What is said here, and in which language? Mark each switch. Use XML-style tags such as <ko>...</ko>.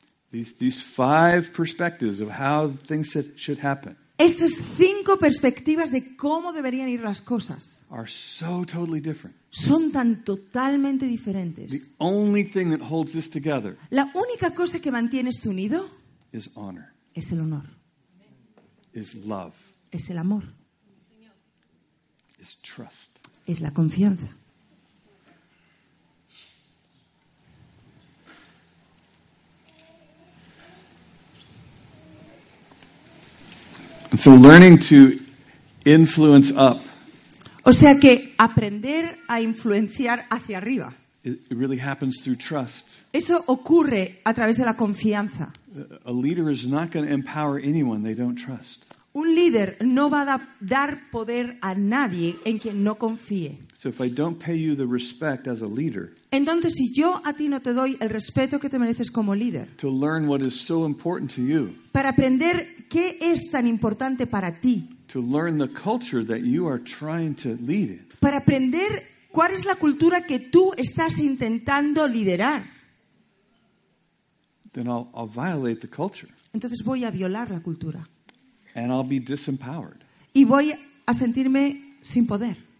<en>These five perspectives of how things should happen.</en> <es>Estas cinco perspectivas de cómo deberían ir las cosas</es> <en>are so totally different.</en> <es>Son tan totalmente diferentes.</es> <en>The only thing that holds this together.</en> <es>La única cosa que mantiene esto unido</es> <en>is honor.</en> <es>Es el honor.</es> <en>Is love.</en> <es>Es el amor.</es> <en>Is trust.</en> <es>Es la confianza.</es> <en>And so learning to influence up.</en> <es>O sea que aprender a influenciar hacia arriba.</es> <en>It really happens through trust.</en> <es>Eso ocurre a través de la confianza.</es> <en>A leader is not going to empower anyone they don't trust.</en> <es>Un líder no va a dar poder a nadie en quien no confíe.</es> <en>So if I don't pay you the respect as a leader.</en> <es>Entonces si yo a ti no te doy el respeto que te mereces como líder.</es> <en>To learn what is so important to you.</en> <es>Para aprender qué es tan importante para ti.</es> <en>To learn the culture that you are trying to lead in.</en> <es>Para aprender cuál es la cultura que tú estás intentando liderar.</es> <en>Then I'll violate the culture.</en> <es>Entonces voy a violar la cultura.</es> <en>And I'll be disempowered.</en> <es>Y voy a sentirme sin poder.</es>